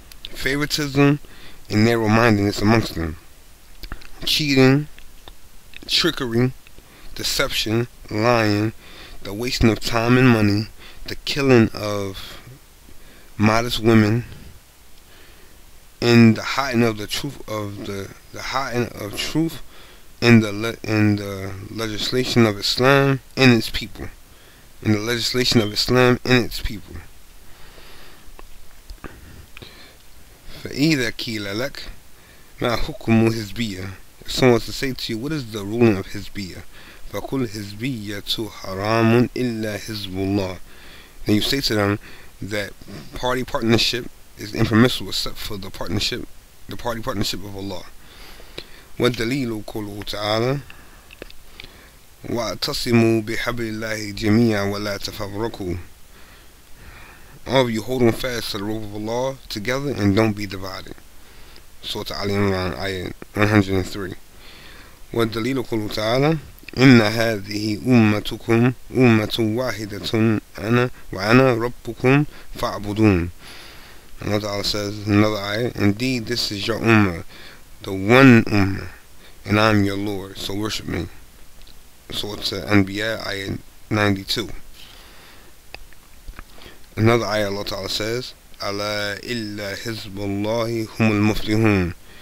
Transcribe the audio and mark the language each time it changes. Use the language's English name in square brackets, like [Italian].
[English] favoritism and narrow-mindedness amongst them, cheating, trickery, deception, lying, the wasting of time and money, the killing of modest women, and the hiding of the truth of the hiding of truth. In the legislation of Islam and its people, in the legislation of Islam and its people. [Arabic] فإذا قيل لك ما حكم حزبية, [English] if someone to say to you, what is the ruling of [Arabic] حزبية, فقل حزبية حرام إلا حزب الله. [English] Then you say to them that party partnership is impermissible except for the party partnership of Allah. [Arabic] والدليل قوله تعالى واعتصموا بحبل الله جميعا ولا تفرقوا, [English] all of you hold on fast to the rope of Allah together and don't be divided. [Arabic] سورة آل عمران آية 103. والدليل قوله تعالى إن هذه أمتكم أمة واحدة وأنا ربكم فاعبدون. [English] Another ayah says, indeed this is your ummah, the one ummah, and I'm your Lord, so worship me. Surah Al-Anbiya, ayah 92. Another ayah Allah Ta'ala says, [Arabic] Ala illa hizballahi humul muflihun.